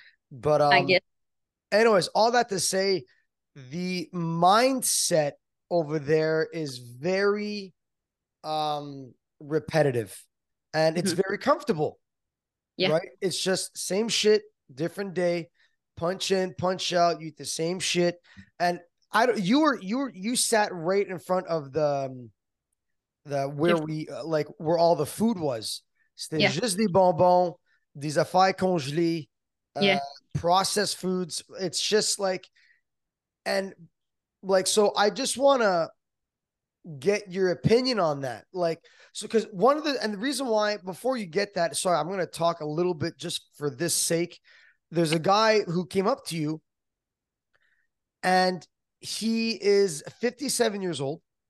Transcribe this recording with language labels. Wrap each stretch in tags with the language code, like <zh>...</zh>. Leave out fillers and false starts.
<en>But anyways, all that to say, the mindset over there is very repetitive and it's very comfortable. Yeah. Right? It's just same shit, different day, punch in, punch out, you eat the same shit. And I don't, you sat right in front of where all the food was.</en> <fr>C'était juste des bonbons, des affaires congelées,</fr> <en>processed foods. It's just like, and like, so I just want to get your opinion on that. Like, so, cause one of the, and the reason why, before you get that, sorry, I'm going to talk a little bit just for this sake. There's a guy who came up to you and he is 57 years old.</en>